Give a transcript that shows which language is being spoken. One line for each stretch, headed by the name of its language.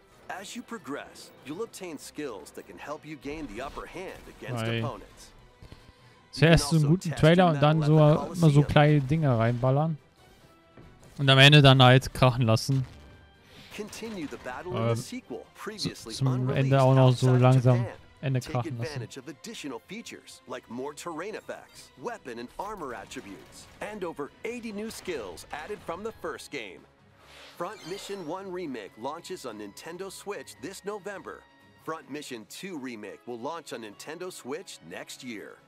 English: As you progress, you'll obtain skills that can help you gain the upper hand against opponents.
German: Zuerst so einen guten Trailer und dann so immer so kleine Dinge reinballern. Und am Ende dann halt krachen lassen. Zum Ende auch noch so langsam Ende krachen lassen.
English: Take advantage of additional features like more terrain effects, weapon and armor attributes, and over 80 new skills added from the first game. Front Mission 1 Remake launches on Nintendo Switch this November. Front Mission 2 Remake will launch on Nintendo Switch next year.